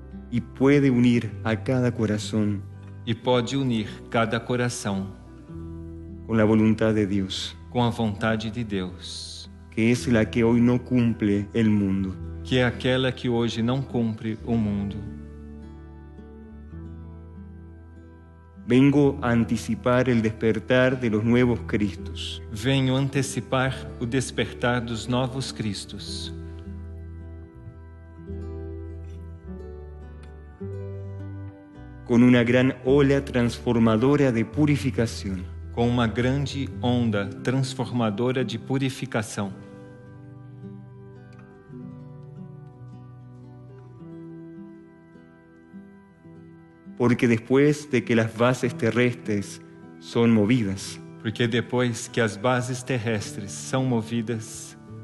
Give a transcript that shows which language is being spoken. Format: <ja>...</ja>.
<es>Y puede unir a cada corazón.</es> <pt>E pode unir cada coração com a vontade de Deus. Com a vontade de Deus. Que é a que hoje não cumpre o mundo. Que é aquela que hoje não cumpre o mundo.</pt> <es>Vengo a</es> <pt>antecipar o despertar</pt> <es>de los nuevos Cristos.</es> <pt>Venho antecipar o despertar dos novos Cristos.</pt> <es>Con una gran ola transformadora de purificación.</es> <pt>Com uma grande onda transformadora de purificação.</pt> <es>Porque después de que las bases terrestres son movidas.</es> <pt>Porque depois que as bases terrestres são movidas.</pt>